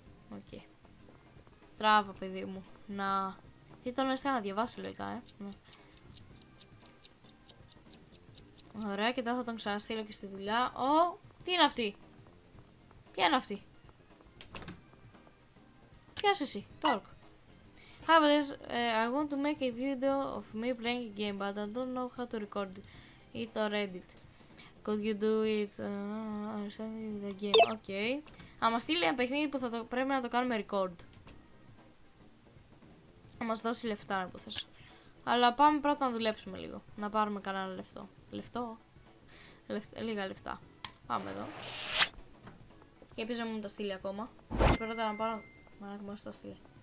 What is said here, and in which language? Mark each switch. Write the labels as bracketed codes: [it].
[el] Οκ. Τράβο, παιδί μου. Να. Τι τον έστειλα να διαβάσω, λογικά, ε. Ναι. Ωραία, και τώρα θα τον ξαναστείλω και στη δουλειά. Ω, τι είναι αυτή. Ποια είναι αυτή. Ποια είσαι εσύ, Talk. [en] Hi, but this, I want to make a video of me playing a game, but I don't know how to record it or edit. Could you do it, send you the game, okay. [el] Θα μας στείλει ένα παιχνίδι που θα το, πρέπει να το κάνουμε record. Θα μας δώσει λεφτά, αν υποθέσω. Αλλά πάμε πρώτα να δουλέψουμε λίγο, να πάρουμε κανένα λεφτό. Λεφτό, λίγα λεφτά. Πάμε εδώ. Και επίσης μου τα στείλει ακόμα. Πρώτα να πάρω, μαλάκα μου, θα το στείλει.